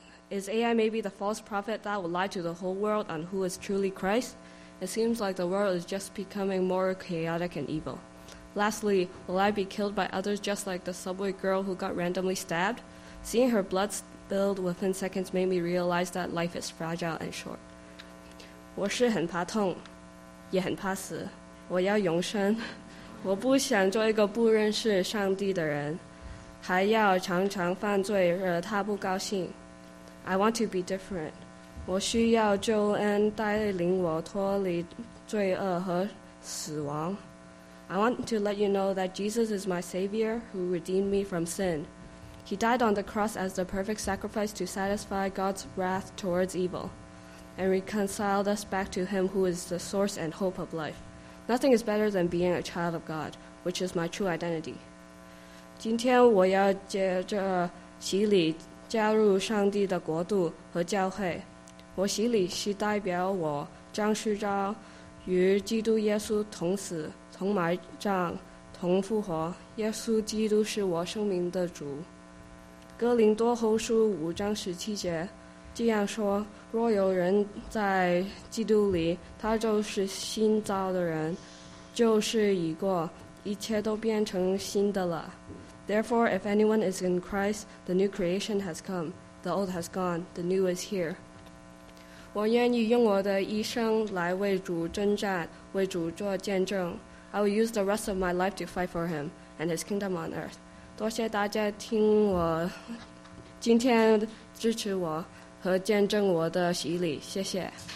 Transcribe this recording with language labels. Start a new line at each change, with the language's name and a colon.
English: Is AI maybe the false prophet that will lie to the whole world on who is truly Christ? It seems like the world is just becoming more chaotic and evil. Lastly, will I be killed by others just like the subway girl who got randomly stabbed? Seeing her blood spilled within seconds made me realize that life is fragile and short.
Chinese: 我是很怕痛，也很怕死，我要永生，我不想做一个不认识上帝的人。还要常常犯罪惹他不高兴。
English: I want to be different.
Chinese: 我需要救恩带领我脱离罪恶和死亡。
English: I want to let you know that Jesus is my Savior who redeemed me from sin. He died on the cross as the perfect sacrifice to satisfy God's wrath towards evil and reconciled us back to Him who is the source and hope of life. Nothing is better than being a child of God, which is my true identity.
Chinese: 今天我要接着洗礼加入上帝的国度和教会。我洗礼是代表我将虚张与基督耶稣同死同埋葬同复活。耶稣基督是我生命的主。哥林多后书五章十七节这样说，若有人在基督里，他就是新造的人，旧事已过，一切都变成新的了。
English: Therefore, if anyone is in Christ, the new creation has come. The old has gone, the new is here.
Chinese: 我愿意用我的一生来为主征战，为主做见证。
English: I will use the rest of my life to fight for him and his kingdom on earth.
Chinese: 多谢大家听我，今天支持我和见证我的洗礼，谢谢。